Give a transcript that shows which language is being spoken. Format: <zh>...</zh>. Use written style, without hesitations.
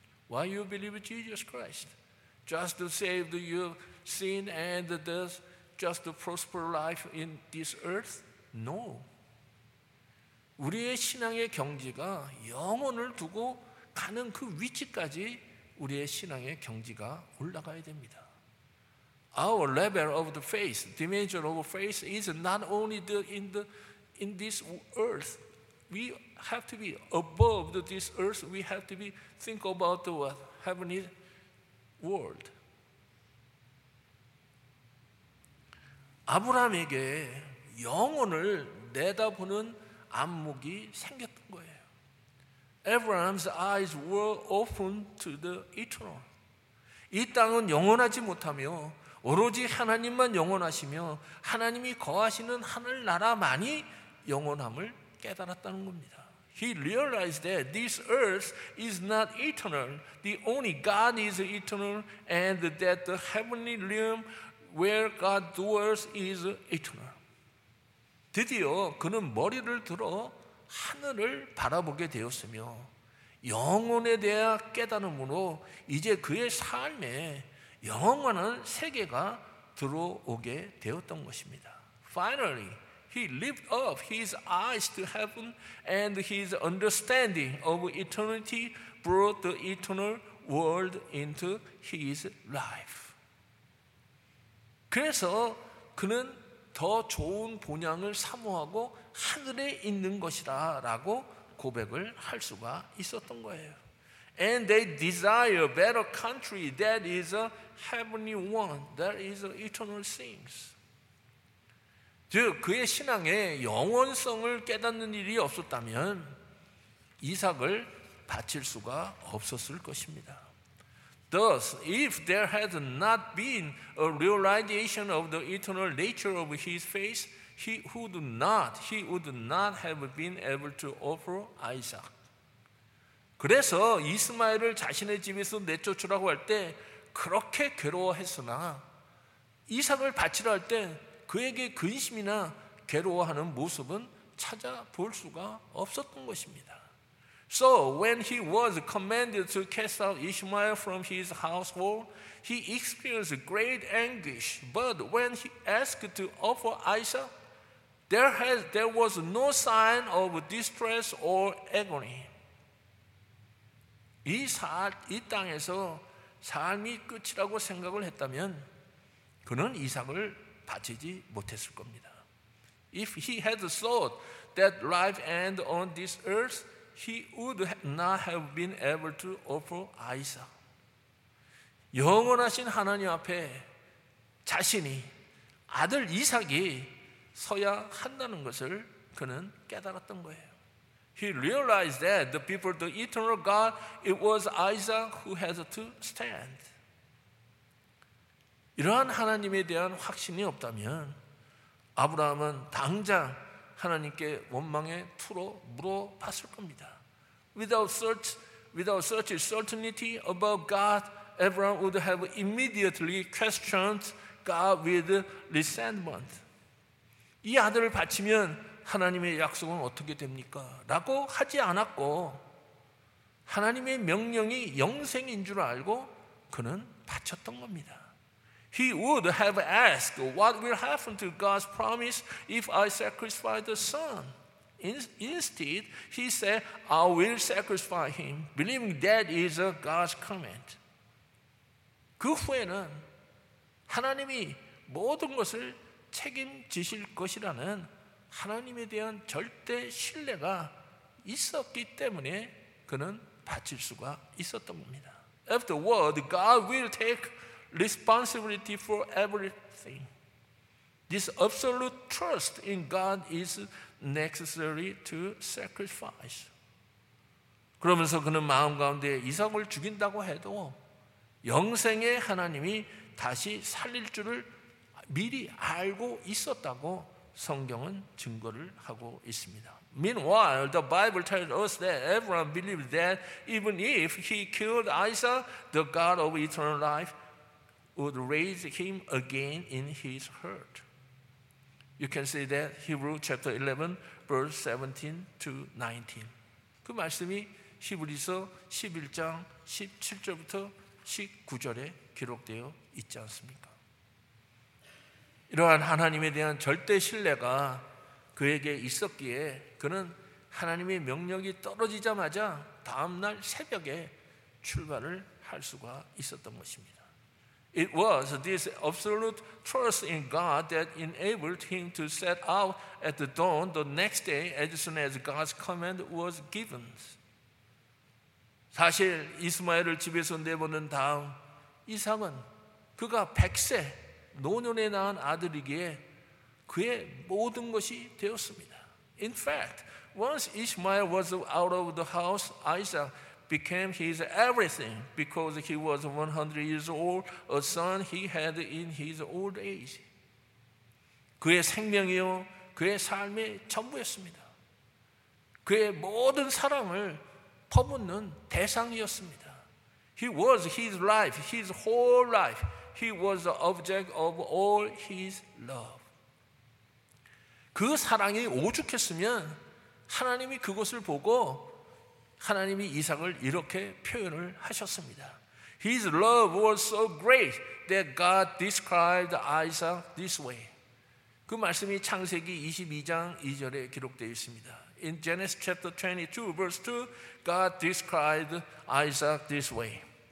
<en>Why you believe in Jesus Christ? Just to save your sin and death, just to prosper life in this earth? No.</en> <ko>우리의 신앙의 경지가 영혼을 두고 가는 그 위치까지 우리의 신앙의 경지가 올라가야 됩니다.</ko> <en>Our level of the faith, dimension of faith is not only the, in the in this earth. We have to be above this earth. We have to be think about the what, heavenly world.</en> <ko>아브라함에게 영혼을 내다보는 안목이 생겼던 거예요.</ko> <en>Abraham's eyes were open to the eternal.</en> <ko>이 땅은 영원하지 못하며 오로지 하나님만 영원하시며 하나님이 거하시는 하늘 나라만이 영원함을 깨달았다는 겁니다.</ko> <en>He realized that this earth is not eternal. The only God is eternal and that the heavenly realm where God dwells is eternal.</en> <ko>드디어 그는 머리를 들어 하늘을 바라보게 되었으며 영혼에 대한 깨달음으로 이제 그의 삶에 영원한 세계가 들어오게 되었던 것입니다.</ko> <en>Finally, he lifted up his eyes to heaven and his understanding of eternity brought the eternal world into his life.</en> <ko>그래서 그는 더 좋은 본향을 사모하고 하늘에 있는 것이다 라고 고백을 할 수가 있었던 거예요.</ko> <en>And they desire better country that is a heavenly one, that is eternal things.</en> <ko>즉 그의 신앙에 영원성을 깨닫는 일이 없었다면 이삭을 바칠 수가 없었을 것입니다.</ko> <en>Thus, if there had not been a realization of the eternal nature of his faith, he would not have been able to offer Isaac.</en> <ko>그래서 이스마엘을 자신의 집에서 내쫓으라고 할 때 그렇게 괴로워했으나 이삭을 바치라 할 때 그에게 근심이나 괴로워하는 모습은 찾아볼 수가 없었던 것입니다.</ko> <en>So when he was commanded to cast out Ishmael from his household, he experienced great anguish. But when he asked to offer Isaac, there was no sign of distress or agony.</en> <ko>이 땅에서 삶이 끝이라고 생각을 했다면 그는 이삭을 바치지 못했을 겁니다.</ko> <en>If he had thought that life ended on this earth, he would not have been able to offer Isaac.</en> <ko>영원하신 하나님 앞에 자신이 아들 이삭이 서야 한다는 것을 그는 깨달았던 거예요.</ko> <en>He realized that before the eternal God, it was Isaac who had to stand.</en> <ko>이러한 하나님에 대한 확신이 없다면 아브라함은 당장 하나님께 원망에 투로 물어봤을 겁니다.</ko> <en>Without such certainty about God, Abraham would have immediately questioned God with resentment.</en> <ko>이 아들을 바치면 하나님의 약속은 어떻게 됩니까? 라고 하지 않았고 하나님의 명령이 영생인 줄 알고 그는 바쳤던 겁니다.</ko> <en>He would have asked what will happen to God's promise if I sacrifice the son. Instead, he said, I will sacrifice him, believing that is a God's command.</en> <ko>그 후에는 하나님이 모든 것을 책임지실 것이라는 하나님에 대한 절대 신뢰가 있었기 때문에 그는 바칠 수가 있었던 겁니다.</ko> <en>Afterward, God will take responsibility for everything. This absolute trust in God is necessary to sacrifice.</en> <ko>그러면서 그는 마음 가운데 이삭을 죽인다고 해도 영생의 하나님이 다시 살릴 줄을 미리 알고 있었다고 성경은 증거를 하고 있습니다.</ko> <en>Meanwhile, the Bible tells us that Abraham believed that even if he killed Isaac, the God of eternal life would raise him again in his heart. You can see that Hebrews chapter 11, verse 17 to 19.</en> <ko>그 말씀이 히브리서 11장 17절부터 19절에 기록되어 있지 않습니까? 이러한 하나님에 대한 절대 신뢰가 그에게 있었기에 그는 하나님의 명령이 떨어지자마자 다음날 새벽에 출발을 할 수가 있었던 것입니다.</ko> <en>It was this absolute trust in God that enabled him to set out at the dawn the next day as soon as God's command was given.</en> <ko>사실 이스마엘을 집에서 내보낸 다음 이삭은 그가 100세 노년에 낳은 아들이기에 그의 모든 것이 되었습니다.</ko> <en>In fact, once Ishmael was out of the house, Isaac became his everything because he was 100 years old, a son he had in his old age.</en> <ko>그의 생명이요, 그의 삶의 전부였습니다. 그의 모든 사랑을 퍼붓는 대상이었습니다.</ko> <en>He was his life, his whole life. He was the object of all his love.</en> <ko>그 사랑이 오죽했으면 하나님이 그것을 보고 하나님이 이삭을 이렇게 표현을 하셨습니다.</ko> <en>His love was so great that God described Isaac this way.</en> <ko>그 말씀이 창세기 22장 2절에 기록되어 있습니다.</ko> <en>In Genesis chapter 22 verse 2, God described Isaac this way.</en>